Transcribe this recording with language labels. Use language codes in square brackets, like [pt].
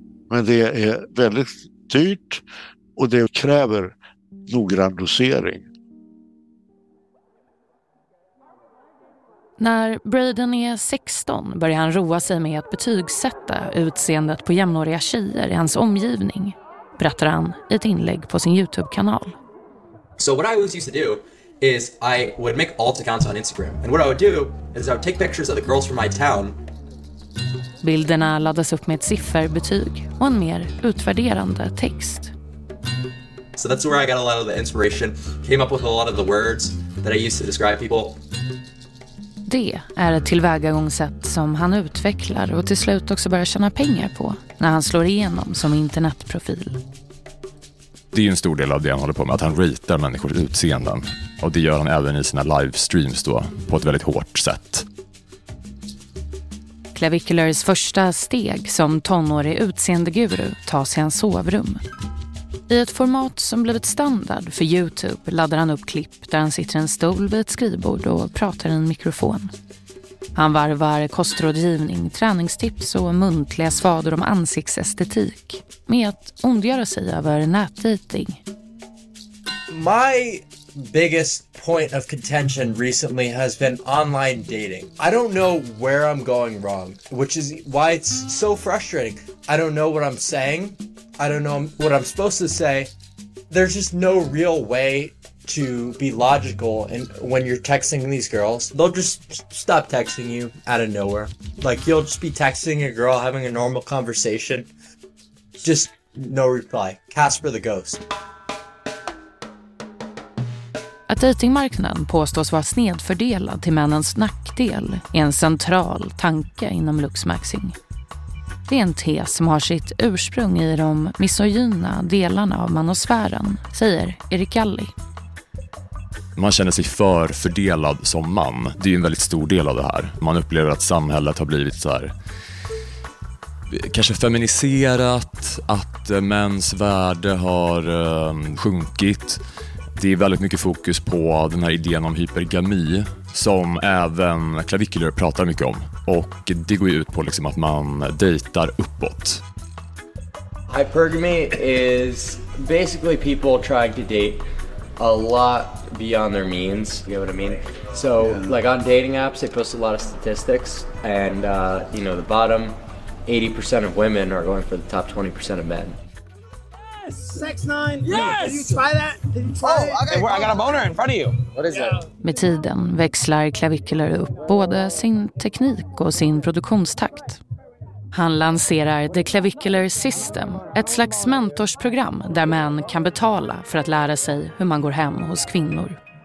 [sv] Men det är väldigt dyrt och det kräver noggrann dosering. När Braden är 16 börjar han roa sig med att betygsätta utseendet på jämnåriga tjejer i hans omgivning, berättar han i ett inlägg på sin YouTube-kanal. [en] So what I always used to do is I would make alt accounts on Instagram. And what I would do is I would take pictures of the girls from my town. [sv] Bilderna laddas upp med ett sifferbetyg och en mer utvärderande text. [en] So that's where I got a lot of the inspiration. Came up with a lot of the words that I used to describe people. [sv] Det är ett tillvägagångssätt som han utvecklar och till slut också börjar tjäna pengar på när han slår igenom som internetprofil. Det är en stor del av det han håller på med, att han ritar människors utseenden. Och det gör han även i sina livestreams då, på ett väldigt hårt sätt. Clavicularys första steg som tonårig utseendeguru tas i hans sovrum. I ett format som blivit standard för YouTube laddar han upp klipp där han sitter i en stol vid ett skrivbord och pratar i en mikrofon. Han varvar kostrådgivning, träningstips och muntliga svador om ansiktsestetik med att ondgöra sig över nätdating. [en] My biggest point of contention recently has been online dating. I don't know where I'm going wrong, which is why it's so frustrating. I don't know what I'm saying. I don't know what I'm supposed to say. There's just no real way to be logical, and when you're texting these girls, they'll just stop texting you out of nowhere. Like, you'll just be texting a girl, having a normal conversation, just no reply. Casper the Ghost. [sv] Att dejtingmarknaden påstås vara snedfördelad till männens nackdel är en central tanke inom Luxmaxing. Det är en tes som har sitt ursprung i de misogyna delarna av manosfären, säger Erik Galli. Man känner sig förfördelad som man. Det är ju en väldigt stor del av det här. Man upplever att samhället har blivit så här, kanske feminiserat, att mäns värde har sjunkit. Det är väldigt mycket fokus på den här idén om hypergami som även Clavicular pratar mycket om. Och det går ju ut på liksom att man dejtar uppåt. [en] Hypergamy is basically people trying to date a lot beyond their means, you know what I mean? So, yeah. Like on dating apps, they post a lot of statistics, and you know, the bottom 80% of women are going for the top 20% of men. Yes, 6'9". Yes. Did you try that? Oh, okay. I got a boner in front of you. What is that? [sv] Med tiden växlar Clavicular upp både sin teknik och sin produktionstakt. Han lanserar The Clavicular System, ett slags mentorsprogram där män kan betala för att lära sig hur man går hem hos kvinnor.